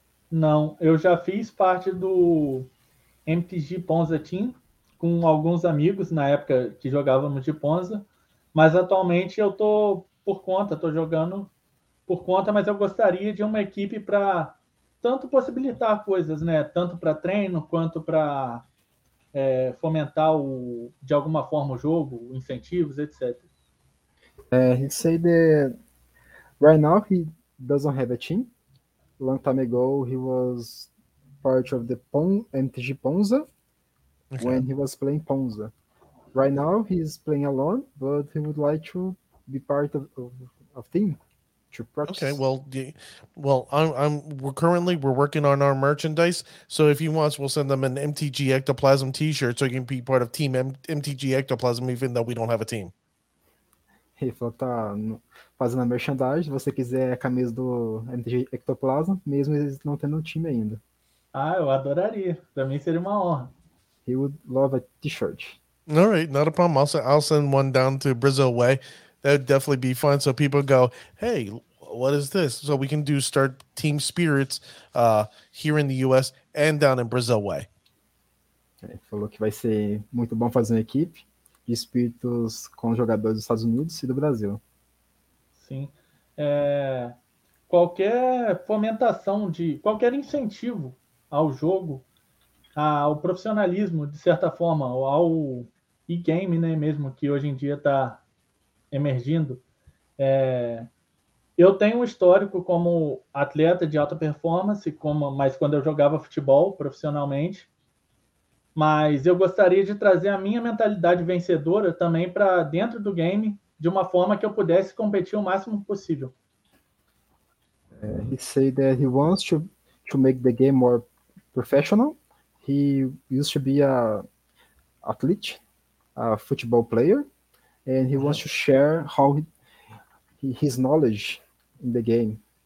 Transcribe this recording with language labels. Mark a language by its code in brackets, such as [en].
[pt] Não, eu já fiz parte do MTG Ponza Team com alguns amigos na época que jogávamos de Ponza, mas atualmente eu tô por conta, tô jogando por conta, mas eu gostaria de uma equipe para tanto possibilitar coisas, né? Tanto para treino, quanto para fomentar de alguma forma o jogo, incentivos, etc. [en] He said that right now he doesn't have a team. Long time ago, he was part of the MTG Ponza when he was playing Ponza. Right now, he's playing alone, but he would like to be part of team to practice. Okay, well, we're working on our merchandise. So if he wants, we'll send them an MTG Ectoplasm T-shirt so he can be part of Team MTG Ectoplasm, even though we don't have a team. [pt] Ele falou que tá fazendo a merchandise. Se você quiser a camisa do MTG Ectoplasm, mesmo eles não tendo um time ainda. Ah, eu adoraria. Pra mim seria uma honra. [en] He would love a t-shirt. All right, not a problem. I'll send one down to Brazil Way. That would definitely be fun. So people go, hey, what is this? So we can start Team Spirits here in the US and down in Brazil Way. [pt] Ele falou que vai ser muito bom fazer uma equipe de espíritos com jogadores dos Estados Unidos e do Brasil. Sim. Qualquer fomentação de... Qualquer incentivo ao jogo, ao profissionalismo, de certa forma, ou ao e-game, né, mesmo, que hoje em dia está emergindo. Eu tenho um histórico como atleta de alta performance, mas quando eu jogava futebol profissionalmente. Mas eu gostaria de trazer a minha mentalidade vencedora também para dentro do game, de uma forma que eu pudesse competir o máximo possível. [en] He said that he wants to make the game more professional. He used to be a athlete, a football player, and he wants to share how his knowledge in the game.